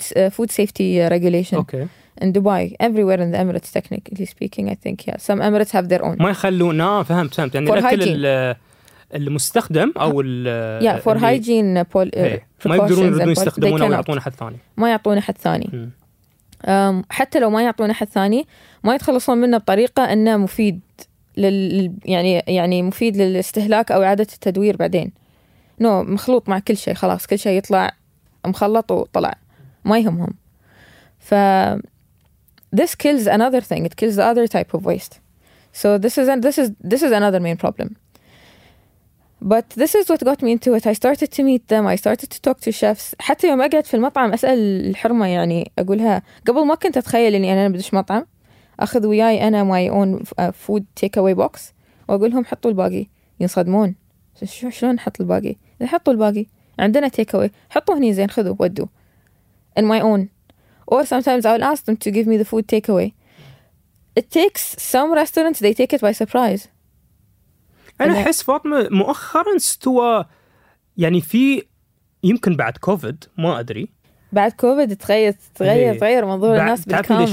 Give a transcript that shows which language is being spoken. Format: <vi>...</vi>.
<en>food safety regulation. okay. in Dubai everywhere in the Emirates technically speaking I think yeah some Emirates have their own.</en> <ar>ما يخلونا فهمت يعني الأكل المستخدم او</ar> <en>for hygiene</en> <ar>ما يقدرون يردون يستخدمونه ويعطون احد ثاني حتى لو ما يعطون احد ثاني ما يتخلصون منه بطريقه انه مفيد يعني مفيد للاستهلاك او اعاده التدوير بعدين. مخلوط مع كل شيء خلاص، كل شيء يطلع مخلط وطلع ما يهمهم.</ar> <en>ف this kills another thing, it kills the other type of waste. So this is another main problem. But this is what got me into it. I started to meet them. I started to talk to chefs.</en> <ar>حتى يوم أقعد في المطعم أسأل الحرمة، يعني أقولها قبل ما كنت أتخيل إني أنا بدش مطعم أخذ وياي أنا</ar> <en>my own food takeaway box</en> <ar>وأقولهم حطوا الباقي، ينصدمون شو شلون نحط الباقي؟ إذا حطوا الباقي عندنا takeaway حطوا هني زين خذوا ودوا</ar> <en>in my own. Or sometimes I'll ask them to give me the food takeaway. It takes some restaurants, they take it by surprise.</en> <ar>أنا أحس فاطمة مؤخراً استوى، يعني في يمكن بعد كوفيد ما أدري. بعد كوفيد تغير منظور الناس بالكامل.</ar>